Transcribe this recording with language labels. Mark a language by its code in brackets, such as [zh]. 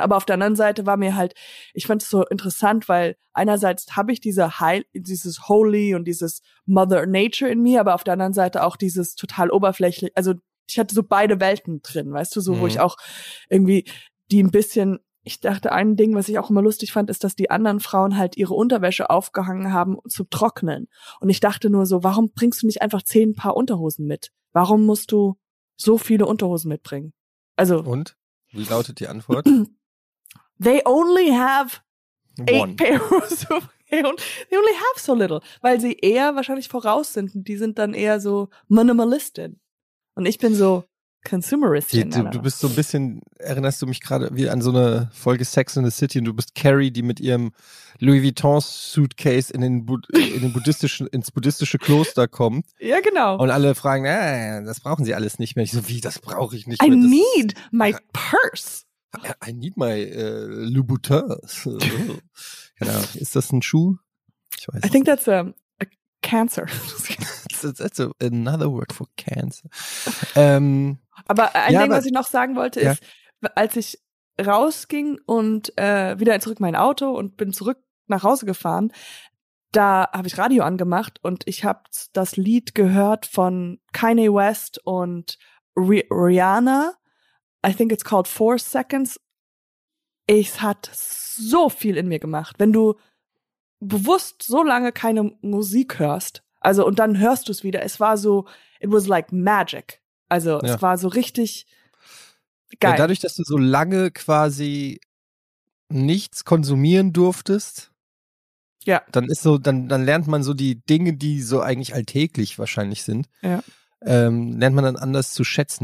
[de] Aber auf der anderen Seite war mir halt, ich fand es so interessant, weil einerseits habe ich dieses Holy und dieses Mother Nature in mir, aber auf der anderen Seite auch dieses total oberflächlich, also ich hatte so beide Welten drin, weißt du, so, wo ich auch irgendwie die ein bisschen, ich dachte, ein Ding, was ich auch immer lustig fand, ist, dass die anderen Frauen halt ihre Unterwäsche aufgehangen haben zum Trocknen. Und ich dachte nur so, warum bringst du nicht einfach 10 Paar Unterhosen mit? Warum musst du so viele Unterhosen mitbringen? Also. Und? Wie lautet die Antwort? [en] They only have 8 pairs of hands. They only have so little. [de] Weil sie eher wahrscheinlich voraus sind. Und die sind dann eher so Minimalistin. Und ich bin so Consumeristin. Du bist so ein bisschen, erinnerst du mich gerade wie an so eine Folge Sex in the City, und du bist Carrie, die mit ihrem Louis Vuitton Suitcase ins buddhistische Kloster kommt. Ja, genau. Und alle fragen, das brauchen sie alles nicht mehr. Ich so, wie, das brauche ich nicht mehr. [en] I need my purse. I need my Louboutins. [de] Genau. Ist das ein Schuh? Ich weiß nicht. [en] I think that's a cancer. That's another word for cancer. [de] Aber was ich noch sagen wollte, ist, als ich rausging und wieder zurück in mein Auto und bin zurück nach Hause gefahren, da habe ich Radio angemacht und ich habe das Lied gehört von Kanye West und Rihanna. [en] I think it's called 4 Seconds. [de] Es hat so viel in mir gemacht. Wenn du bewusst so lange keine Musik hörst, also, und dann hörst du es wieder. Es war so, [en] it was like magic. [de] Also, es war so richtig geil. Ja, dadurch, dass du so lange quasi nichts konsumieren durftest, dann ist so, dann lernt man so die Dinge, die so eigentlich alltäglich wahrscheinlich sind, lernt man dann anders zu schätzen.